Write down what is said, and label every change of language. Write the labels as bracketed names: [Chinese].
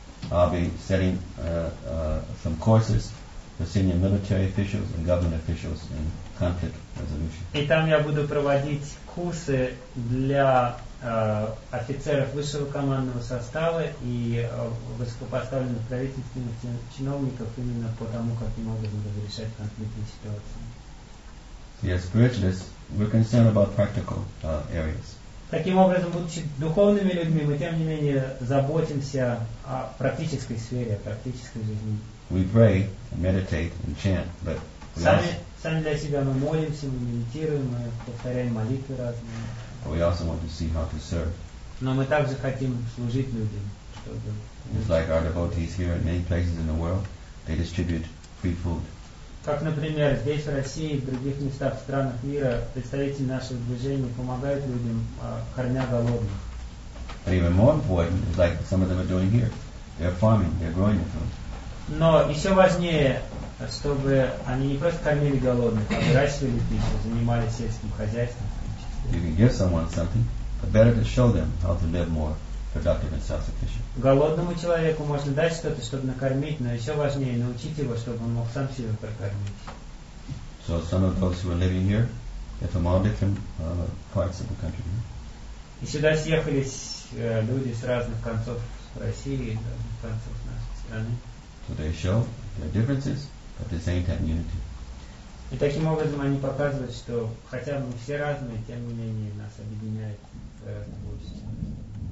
[English] I'll be setting some courses for senior military officials and government officials in conflict resolution. [Russian] И там я буду проводить курсы для офицеров высшего командного состава и высокопоставленных правительственных чиновников именно по тому, как они могут разрешать конфликтные ситуации. [English] Yes, spiritualists, we're concerned about practical areas. [Russian] Таким образом, будучи духовными людьми, мы тем не менее заботимся о практической сфере, о практической жизни. [English] We pray, meditate, and chant, but [Russian] сами для себя мы молимся, мы медитируем, мы повторяем молитвы разные. [English] But we also want to see how to serve. [Russian] Но мы также хотим служить людям, чтобы. [English] It's like our devotees here in many places in the world, they distribute free food. [Russian] Как, например, здесь в России и в других местах, в странах мира, представители нашего движения помогают людям, кормя голодных. [English] But even more important is like some of them are doing here. They're farming, they're growing their food. [Russian] Но еще важнее, чтобы они не просто кормили голодных, а выращивали пищу, занимались сельским хозяйством. [English] You can give someone something, but better to show them how to live more productive and self-sufficient. [Russian] Голодному человеку можно дать что-то, чтобы накормить, но еще важнее научить его, чтобы он мог сам себя прокормить. [English] So some of those who are living here, they're from all different parts of the country. Right? [Russian] И сюда съехались люди с разных концов России, разных концов нашей страны. So they show their differences, but at the same time unity. И таким образом они показывают, что хотя мы все разные, тем не менее нас объединяет гораздо больше, чем мы.